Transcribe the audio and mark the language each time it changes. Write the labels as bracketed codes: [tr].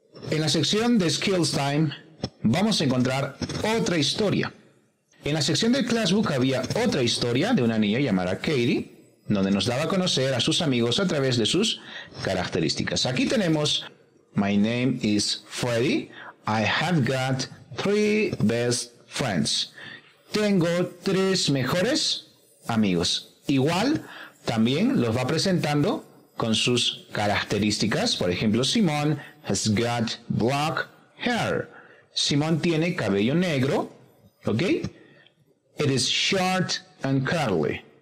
[es] En la sección de Skills Time vamos a encontrar otra historia. En la sección del Classbook había otra historia de una niña llamada Katie, donde nos daba a conocer a sus amigos a través de sus características. Aquí tenemos, [en] My name is Freddy. I have got three best friends. [es] Tengo tres mejores amigos. Igual, también los va presentando con sus características. Por ejemplo, [en] Simon has got black hair. [es] Simon tiene cabello negro. [en] ¿Ok? It is short and curly.